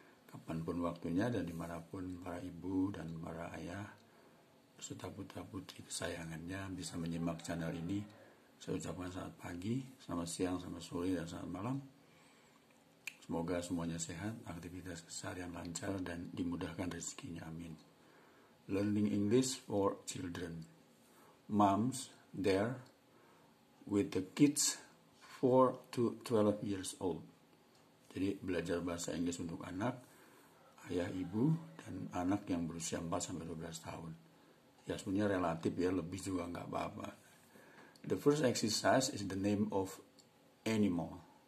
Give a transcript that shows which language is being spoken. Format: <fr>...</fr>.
<id>Kapanpun waktunya dan dimanapun para ibu dan para ayah beserta putra putri kesayangannya bisa menyimak channel ini. Saya ucapkan selamat pagi, selamat siang, selamat sore dan selamat malam. Semoga semuanya sehat, aktivitas keseharian lancar dan dimudahkan rezekinya.</id> <en>Amin. Learning English for children. Moms there with the kids 4 to 12 years old.</en> <id>Jadi belajar bahasa Inggris untuk anak, ayah, ibu, dan anak yang berusia 4 sampai 12 tahun. Ya sebenarnya relatif ya, lebih juga enggak apa-apa.</id> <en>The first exercise is the name of animal.</en>